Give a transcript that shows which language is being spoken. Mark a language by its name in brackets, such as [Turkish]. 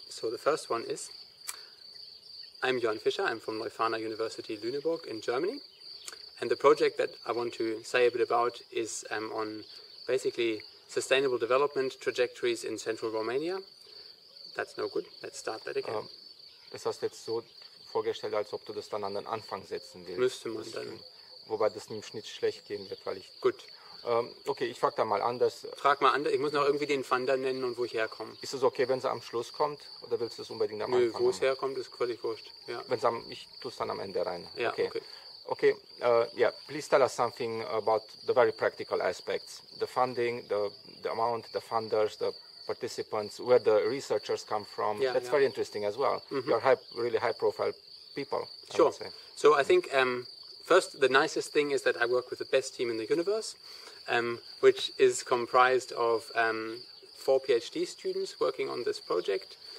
[English] So the first one is, I'm Joern Fischer, I'm from Leuphana University Lüneburg in Germany, and the project that I want to say a bit about is on basically sustainable development trajectories in central Romania. That's no good, let's start that again. [German] Das hast jetzt so vorgestellt, als ob du das dann an den Anfang setzen willst. Müsste man dann. Wobei das im Schnitt schlecht gehen wird, weil ich... Gut. Okay, ich frag da mal anders. Frag mal anders, ich muss noch irgendwie den Funder nennen und wo ich herkomme. Ist es okay, wenn es am Schluss kommt, oder willst du es unbedingt am Anfang? Nö, wo es herkommt, ist völlig wurscht. Ja. Wenn's am, ich tue es dann am Ende rein. Ja, okay. [English] Okay, yeah, please tell us something about the very practical aspects, the funding, the amount, the funders, the participants, where the researchers come from. Yeah, that's very interesting as well. Mm-hmm. You're really high-profile people, sure. I would say. So I think, first, the nicest thing is that I work with the best team in the universe, which is comprised of four PhD students working on this project.